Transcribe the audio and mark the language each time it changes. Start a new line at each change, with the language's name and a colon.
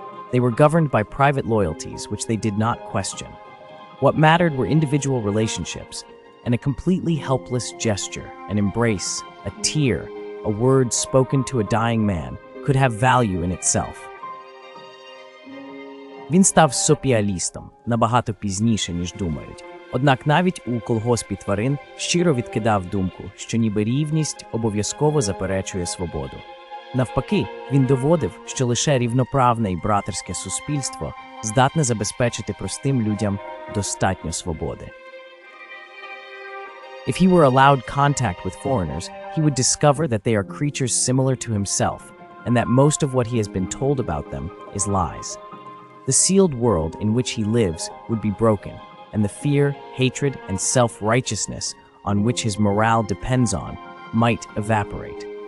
English: They were governed by private loyalties which they did not question. What mattered were individual relationships, and a completely helpless gesture, an embrace, a tear, a word spoken to a dying man could have value in itself.
Ukrainian: Він став соціалістом набагато пізніше, ніж думають. Однак навіть у колгоспі тварин щиро відкидав думку, що ніби рівність обов'язково заперечує свободу. Навпаки, він доводив, що лише рівноправне і братерське суспільство здатне забезпечити простим людям достатньо свободи.
English: If he were allowed contact with foreigners, he would discover that they are creatures similar to himself, and that most of what he has been told about them is lies. The sealed world in which he lives would be broken, and the fear, hatred, and self-righteousness on which his morale depends on might evaporate.